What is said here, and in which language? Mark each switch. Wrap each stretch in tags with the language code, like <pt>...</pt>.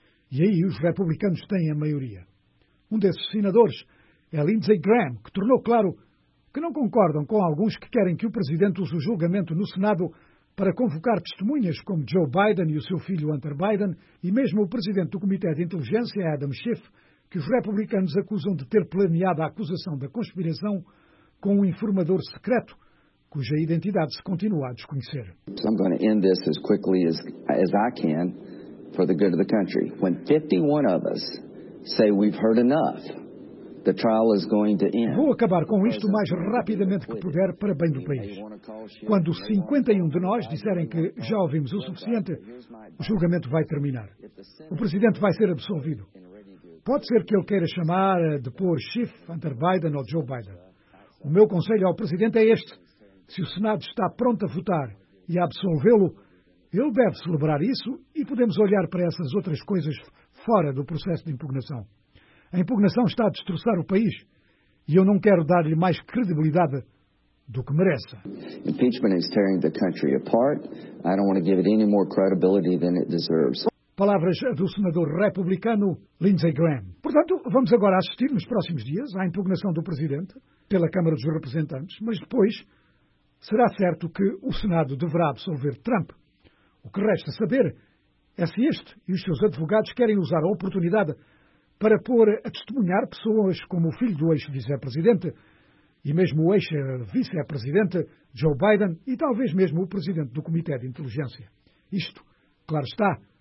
<pt>E aí os republicanos têm a maioria. Um desses senadores é Lindsey Graham, que tornou claro que não concordam com alguns que querem que o presidente use o julgamento no Senado para convocar testemunhas como Joe Biden e o seu filho Hunter Biden e mesmo o presidente do Comitê de Inteligência, Adam Schiff, que os republicanos acusam de ter planeado a acusação da conspiração com um informador secreto, cuja identidade se continua a desconhecer.</pt> <en>So I'm going to end this as quickly as I can for the good of the country. When 51 of us say we've heard enough, the trial is going to end.</en> <pt>Vou acabar com isto o mais rapidamente que puder para bem do país. Quando 51 de nós disserem que já ouvimos o suficiente, o julgamento vai terminar. O presidente vai ser absolvido. Pode ser que ele queira chamar a depor Schiff, Hunter Biden ou Joe Biden. O meu conselho ao presidente é este. Se o Senado está pronto a votar e a absolvê-lo, ele deve celebrar isso e podemos olhar para essas outras coisas fora do processo de impugnação. A impugnação está a destroçar o país e eu não quero dar-lhe mais credibilidade do que merece.</pt> <en>Impeachment is tearing the country apart. I don't want to give it any more credibility than it deserves.</en> <pt>Palavras do senador republicano Lindsey Graham. Portanto, vamos agora assistir nos próximos dias à impugnação do presidente pela Câmara dos Representantes, mas depois será certo que o Senado deverá absolver Trump. O que resta saber é se este e os seus advogados querem usar a oportunidade para pôr a testemunhar pessoas como o filho do ex-vicepresidente e mesmo o ex-vicepresidente Joe Biden e talvez mesmo o presidente do Comitê de Inteligência. Isto, claro está,</pt>